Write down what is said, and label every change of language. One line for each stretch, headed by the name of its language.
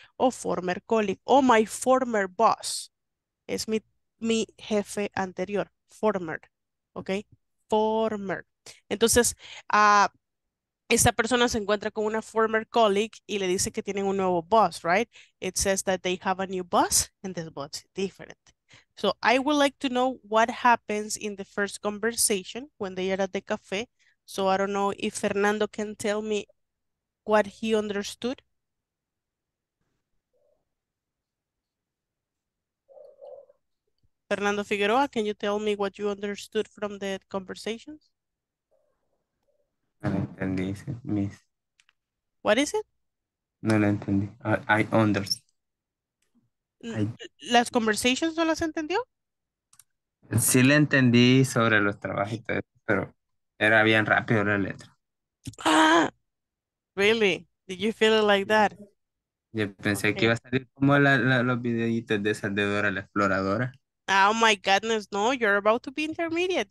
Spanish: O
English: former colleague.
Spanish: O
English: my former boss.
Spanish: Es mi jefe anterior. Former. ¿Ok? Former. Entonces, esta persona se encuentra con una former colleague y le dice que tienen un nuevo boss, right?
English: It says that they have a new boss and this boss is different. So I would like to know what happens in the first conversation when they are at the cafe. So I don't know if Fernando can tell me what he understood. Fernando Figueroa, can you tell me what you understood from the conversations?
Spanish: No lo entendí, miss.
English: What is it?
Spanish: No lo entendí.
English: I understand.
Spanish: ¿Las conversations no las entendió? Sí le entendí sobre los trabajos, pero era bien rápido la letra.
English: Ah, really? Did you feel it like that?
Spanish: Yo pensé okay. Que iba a salir como los videitos de esa de Dora la Exploradora.
English: Oh my goodness, no, you're about to be intermediate.